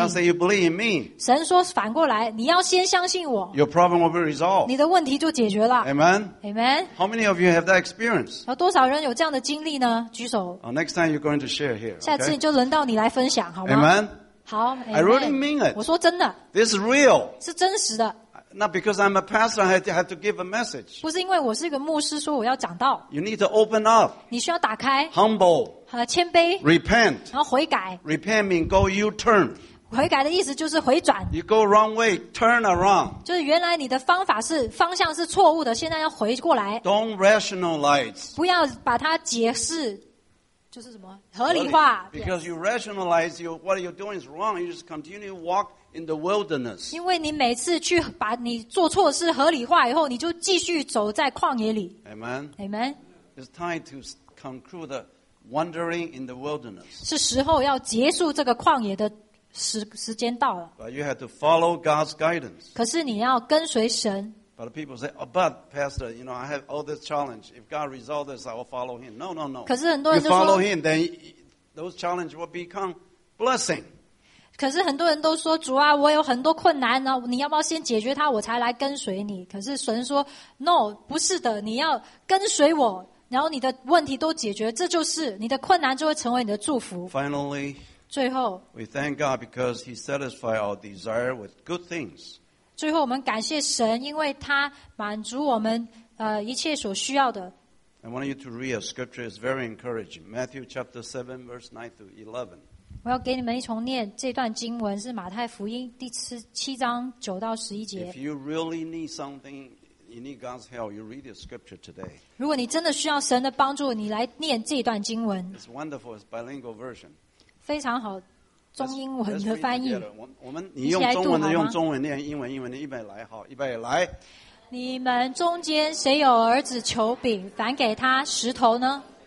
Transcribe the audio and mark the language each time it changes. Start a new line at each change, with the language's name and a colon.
English: God say you believe in me.
Chinese: 神说反过来, 你要先相信我,
English: your problem will be resolved.
Chinese: 你的问题就解决了,
English: Amen? Amen? How many of you have that experience?
Chinese: 多少人有这样的经历呢? 举手,
English: next time you're going to share here, okay?
Chinese: 下次就轮到你来分享, 好吗?
English: Amen?
Chinese: 好,
English: I really mean it.
Chinese: 我说真的,
English: this is real.
Chinese: 是真实的,
English: not because I'm a pastor, I have to give a message.
Chinese: 不是因为我是一个牧师说我要讲道,
English: you need to open up.
Chinese: 你需要打开,
English: humble.
Chinese: 谦卑,
English: repent.
Chinese: 然后悔改,
English: repent means go U-turn.
Chinese: 悔改的意思就是回转,
English: you go wrong way, turn around.
Chinese: 就是原来你的方法是, 方向是错误的, 现在要回过来,
English: don't rationalize.
Chinese: 不要把它解释, 就是什么, 合理化,
English: really? Because you rationalize, you, what you're doing is wrong, you just continue to walk in the wilderness.
Chinese: 因为你每次去把你做错事合理化以后, 你就继续走在旷野里,
English: Amen? Amen? It's time to conclude the wandering in the wilderness.
Chinese: 是时候要结束这个旷野的时间到了,
English: but you have to follow God's guidance.
Chinese: 可是你要跟随神,
English: but people say, oh, but pastor, you know, I have all this challenge, if God resolves this, I will follow Him. No, no, no.
Chinese: 可是很多人就说,
English: you follow Him, then those challenges will become blessing.
Chinese: 可是很多人都说, 主啊, 我有很多困难, 你要不要先解决它, 我才来跟随你, 可是神说, no, 不是的, 你要跟随我, 然后你的问题都解决, 这就是, 你的困难就会成为你的祝福。
English: Finally,
Chinese: 最后,
English: we thank God because He satisfied our desire with good things.
Chinese: 最后我们感谢神, 因为他满足我们, 一切所需要的。
English: I want you to read a scripture, it's very encouraging. Matthew chapter 7, verse 9 to 11.
Chinese: 我要给你们一重念这段经文, 是马太福音第七章9到11节。
English: If you really need something, you need God's help, you read the scripture today.
Chinese: 如果你真的需要神的帮助, 你来念这段经文。
English: It's wonderful, it's bilingual version.
Chinese: 非常好, 中英文的翻译。你用中文的用中文念, 英文, 英文的一百来, 好, 一百来。你们中间谁有儿子求饼, 反给他石头呢?